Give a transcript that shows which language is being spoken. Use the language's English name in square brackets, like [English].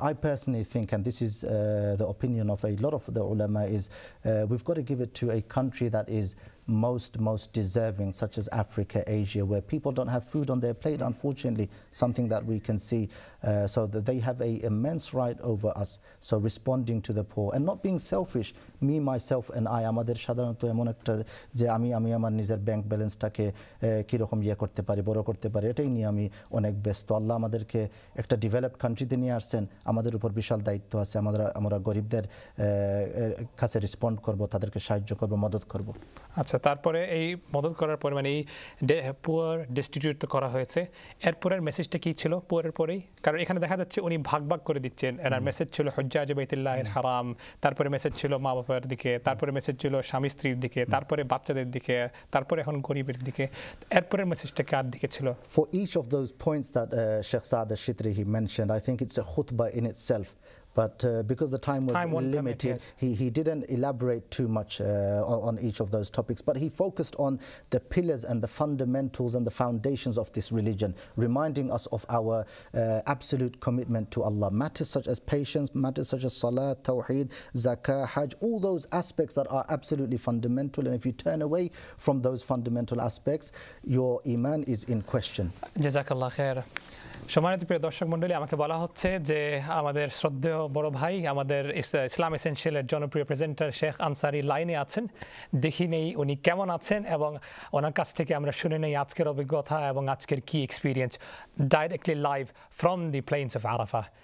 [English] I personally think, and this is the opinion of a lot of the ulama, is we've got to give it to a country that is most deserving, such as Africa, Asia, where people don't have food on their plate, unfortunately, something that we can see. So that they have an immense right over us. So responding to the poor and not being selfish, me, myself and I, [Bangla] আমাদের সাধারণত এমন একটা যে আমি আমার নিজের bank ব্যালেন্সটাকে কীরকম ইয়ে করতে পারি, বড় করতে পারি, এটাই নিয়ে আমি অনেক ব্যস্ত। আল্লাহ আমাদেরকে একটা ডেভেলপড কান্ট্রিতে নিয়ে আসছেন, আমাদের উপর বিশাল দায়িত্ব আছে, আমরা গরিবদের কাছে রেসপন্ড করব, তাদেরকে সাহায্য করব, মদত করব। আচ্ছা, তারপরে এই মদত করার পর মানে এই পুয়ার ডিস্ট্রিবিউট করা হয়েছে, এরপরের মেসেজটা কী ছিল পুয়ারের পরেই? কারণ এখানে দেখা যাচ্ছে উনি ভাগ ভাগ করে দিচ্ছেন, এনার মেসেজ ছিল হজ্জাজ বাইতুল্লাহিল হারাম, তারপরে মেসেজ ছিল মা বাবার দিকে, তারপরে মেসেজ ছিল স্বামী স্ত্রীর দিকে, তারপরে বাচ্চাদের দিকে, তারপরে এখন গরিবের দিকে, এরপরের মেসেজটা কার দিকে ছিল? [English] For each of those points that Sheikh Saad Shithri he mentioned, I think it's a খুতবা in itself, but because the time was limited, he didn't elaborate too much on each of those topics, but he focused on the pillars and the fundamentals and the foundations of this religion, reminding us of our absolute commitment to Allah. Matters such as patience, matters such as salah, tawheed, zakah, hajj, all those aspects that are absolutely fundamental, and if you turn away from those fundamental aspects, your iman is in question. [Arabic] Jazakallah khair. [Bangla] সম্মানিত প্রিয় দর্শক মণ্ডলী, আমাকে বলা হচ্ছে যে আমাদের শ্রদ্ধেয় বড় ভাই, আমাদের ইসলাম এসেনশিয়ালের জনপ্রিয় প্রেজেন্টার শেখ আনসারি লাইনে আছেন, দেখি নেই উনি কেমন আছেন এবং ওনার কাছ থেকে আমরা শুনে নেই আজকের অভিজ্ঞতা এবং আজকের কী experience, directly live from the plains of Arafah.